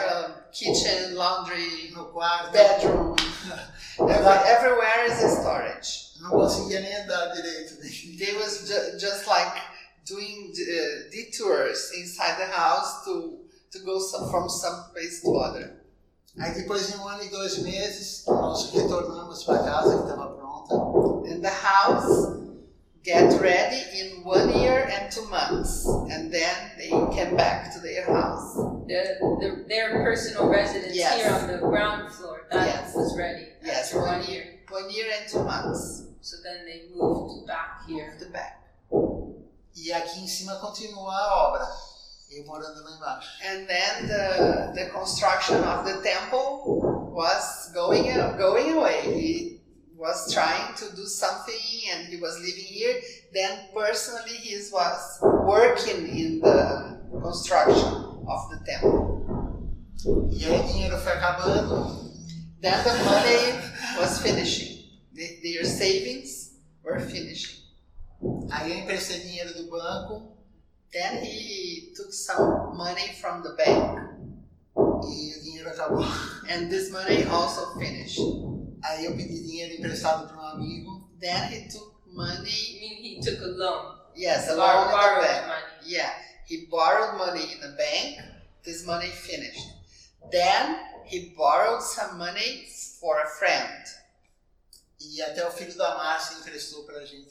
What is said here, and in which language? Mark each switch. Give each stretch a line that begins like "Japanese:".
English: For kitchen, laundry,
Portuguese: no quarto,
English: bedroom. Everywhere is a storage.
Portuguese: Não conseguia nem andar direito.
English: They was just like doing detours inside the house to go from some place to other.
Portuguese: Aí depois de 1 ano e 2 meses, nós retornamos para a casa que estava pronta.
English: And the house get ready in 1 year and 2 months. And then they came back to their house. Their personal residence, yes. Here on the ground floor, that, yes, was ready. Yes, after one year. 1 year and 2 months. So then they moved back here. Moved back.
Portuguese: E aqui em cima continua a obra. Eu morando lá embaixo.
English: And then the construction of the temple was going away. He was trying to do something and he was living here. Then personally he was working in the construction of the temple.
Portuguese: E aí o dinheiro foi acabando.
English: Then the money was finishing. Their savings were finishing.
Portuguese: Aí eu emprestei dinheiro do banco.
English: Then he took some money from the bank.
Portuguese: E o dinheiro acabou.
English: And this money also finished.
Portuguese: Aí eu pedi dinheiro emprestado para um amigo.
English: Then he took money. You mean he took a loan? Yes, he a loan. Borrowed money. Yeah, he borrowed money in the bank. This money finished. Then he borrowed some money for a friend.
Portuguese: E até o filho da Márcia emprestou para a gente.